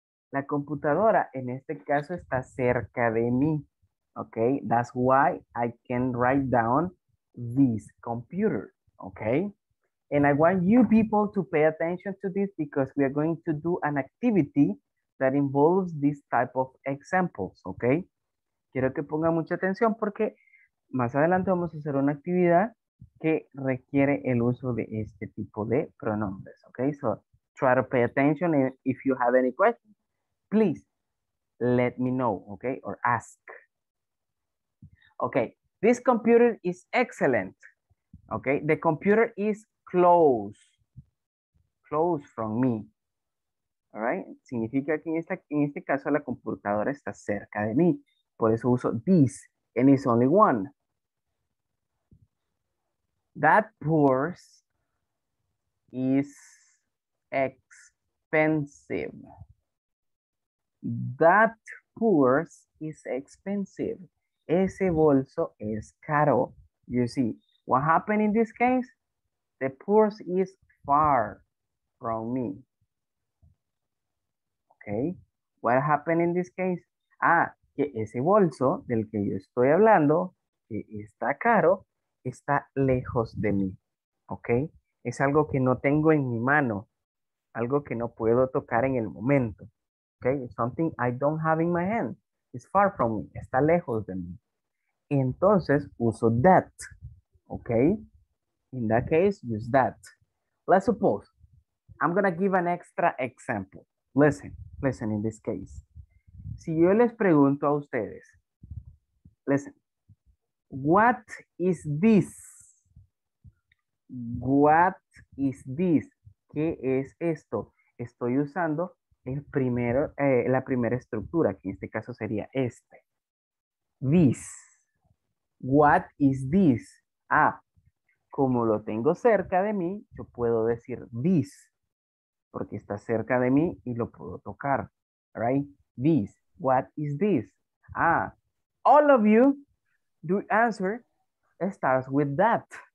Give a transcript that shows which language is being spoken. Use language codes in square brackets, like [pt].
[es] La computadora, en este caso, está cerca de mí. [en] Okay, that's why I can write down this computer, okay? And I want you people to pay attention to this because we are going to do an activity that involves this type of examples, okay? [es] Quiero que ponga mucha atención porque más adelante vamos a hacer una actividad que requiere el uso de este tipo de pronombres, okay? [en] So try to pay attention, and if you have any questions, please let me know, okay? Or ask. Okay. This computer is excellent, okay? The computer is close from me, all right? [es] Significa que en este caso la computadora está cerca de mí. Por eso uso [en] this, and it's only one. That purse is expensive. That purse is expensive. [es] Ese bolso es caro. [en] You see, what happened in this case? The purse is far from me. Okay, what happened in this case? [es] Que ese bolso del que yo estoy hablando, que está caro, está lejos de mí. Okay, es algo que no tengo en mi mano. Algo que no puedo tocar en el momento. [en] Okay, it's something I don't have in my hand. It's far from me, [es] está lejos de mí. Entonces, uso [en] that, okay? In that case, use that. Let's suppose, I'm gonna give an extra example. Listen in this case. [es] Si yo les pregunto a ustedes, [en] listen, what is this? What is this? [es] ¿Qué es esto? Estoy usando la primera estructura, que en este caso sería este. This. [en] What is this? [es] Como lo tengo cerca de mí, yo puedo decir this. Porque está cerca de mí y lo puedo tocar. [en] Right? This. What is this? All of you, your answer starts with that.